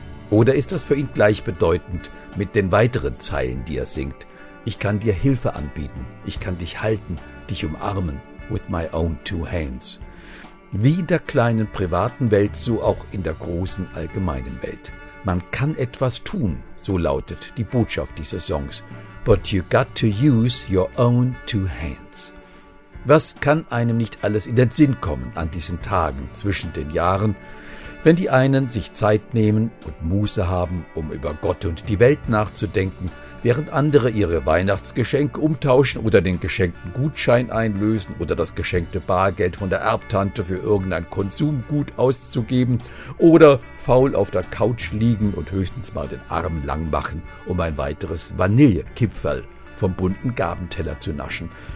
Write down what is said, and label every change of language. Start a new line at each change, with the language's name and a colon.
German: Oder ist das für ihn gleichbedeutend mit den weiteren Zeilen, die er singt? Ich kann dir Hilfe anbieten, ich kann dich halten, dich umarmen,
English: with my own two hands.
German: Wie in der kleinen privaten Welt, so auch in der großen allgemeinen Welt. Man kann etwas tun, so lautet die Botschaft dieses Songs.
English: But you got to use your own two hands.
German: Was kann einem nicht alles in den Sinn kommen an diesen Tagen zwischen den Jahren, wenn die einen sich Zeit nehmen und Muße haben, um über Gott und die Welt nachzudenken, Während andere ihre Weihnachtsgeschenke umtauschen oder den geschenkten Gutschein einlösen oder das geschenkte Bargeld von der Erbtante für irgendein Konsumgut auszugeben oder faul auf der Couch liegen und höchstens mal den Arm lang machen, um ein weiteres Vanillekipferl vom bunten Gabenteller zu naschen.